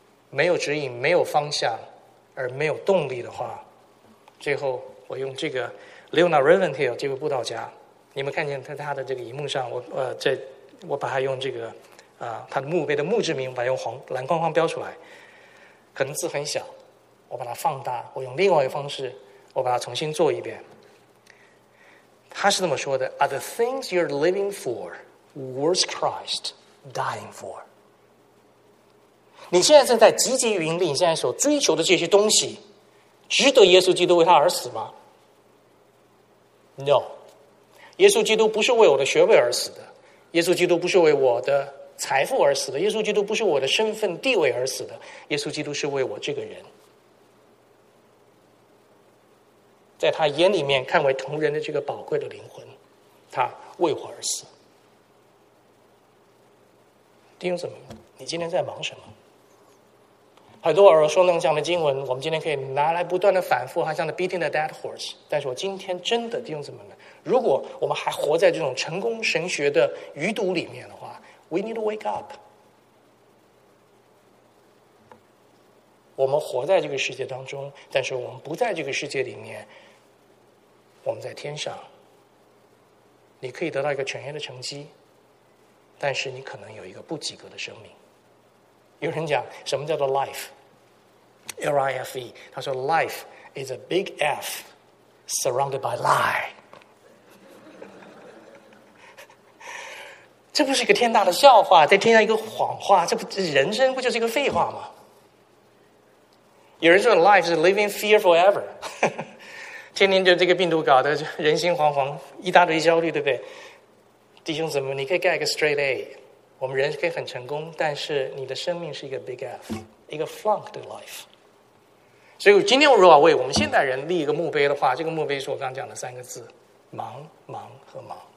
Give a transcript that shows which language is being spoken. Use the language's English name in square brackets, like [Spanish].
[Chinese] 没有指引，没有方向，而没有动力的话，最后我用这个 Leona Riefenstahl 这位布道家，你们看见在他的这个荧幕上，我把他用这个他的墓碑的墓志铭，把他用黄蓝框框标出来，可能字很小，我把它放大，我用另外一个方式，我把它重新做一遍。他是这么说的 ： [English] Are the things you're living for worth Christ dying for？ [Chinese] 你现在正在汲汲营营，你现在所追求的这些东西，值得耶稣基督为他而死吗 ？No， 耶稣基督不是为我的学位而死的，耶稣基督不是为我的财富而死的，耶稣基督不是我的身份地位而死的，耶稣基督是为我这个人，在他眼里面看为同人的这个宝贵的灵魂，他为我而死。弟兄姊妹，你今天在忙什么？很多耳熟能详的经文，我们今天可以拿来不断的反复，好像的 [English] beating the dead horse。 [Chinese] 但是我今天真的，弟兄姊妹们，如果我们还活在这种成功神学的余毒里面的话 ， [English] we need to wake up。 [Chinese] 我们活在这个世界当中，但是我们不在这个世界里面，我们在天上。你可以得到一个全员的成绩，但是你可能有一个不及格的生命。有人讲什么叫做 life， L-I-F-E， 他说 [English] life is a big F surrounded by lie。 [Chinese] 这不是一个天大的笑话，再添加一个谎话，这不人生不就是一个废话吗？有人说 [English] life is living fear forever。 [Chinese] 天天就这个病毒搞得人心惶惶，一大堆焦虑，对不对？弟兄姊妹，你可以盖一个 straight A，我们人可以很成功，但是你的生命是一个 big F， 一个 flunked life。所以今天我如果为我们现代人立一个墓碑的话，这个墓碑是我刚刚讲的三个字，忙忙和忙。